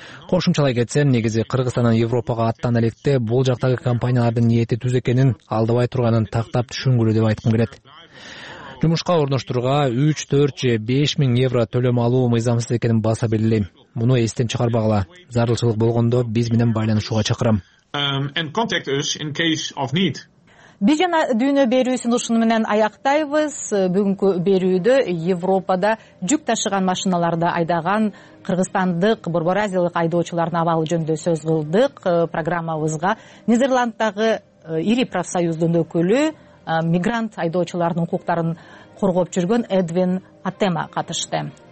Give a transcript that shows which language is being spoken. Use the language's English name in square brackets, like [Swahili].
[Kyrgyz] Кошумчалай кетсем, негизи Кыргызстандан Европага аттан электе бул жактагы компаниялардын ниети түз экенин, алдабай турганын тактап түшүнгүлү деп айткым келет. Жумушка орноштурууга 3-4 же 5000 евро төлөм алуу мыйзамсыз экенин баса белгилейм. Муну эстен чыгарбагыла. Зарылчылык болгондо биз менен байланышууга чакырам. [English] And contact us in case of need. [Kyrgyz] Биз жана дүйнө берүүсүн ушуну менен аяктайбыз. Бүгүнкү берүүдө Европада жүк ташыган машиналарды айдаган кыргызстандык, Борбор Азиялык айдоочулардын абалы жөнүндө сөз кылдык. Программабызга Нидерланддагы ири профсоюздун өкүлү, мигрант айдоочулардын укуктарын коргоп жүргөн Эдвин Атема катышты.